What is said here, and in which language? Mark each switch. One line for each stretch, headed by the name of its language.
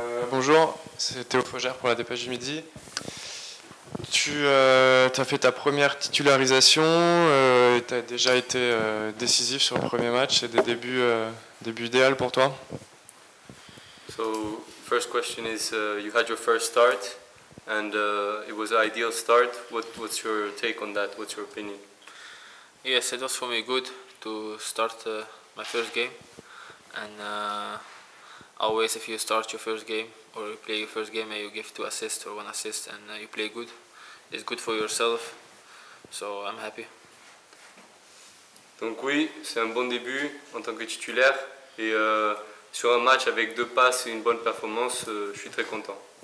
French: Bonjour, c'est Théo Fogère pour la Dépêche du Midi. Tu as fait ta première titularisation, tu as déjà été décisif sur le premier match, c'est des débuts idéaux pour toi.
English: So, first question is, you had your first start and it was an ideal start. What's your take on that? What's your opinion? Yes, it was for me good to start my first game. And always if you start your first game or you play your first game and you give 2 assists or 1 assist and you play good, it's good for yourself. So I'm happy.
French: Donc oui, c'est un bon début en tant que titulaire et sur un match avec 2 passes et une bonne performance, je suis très content.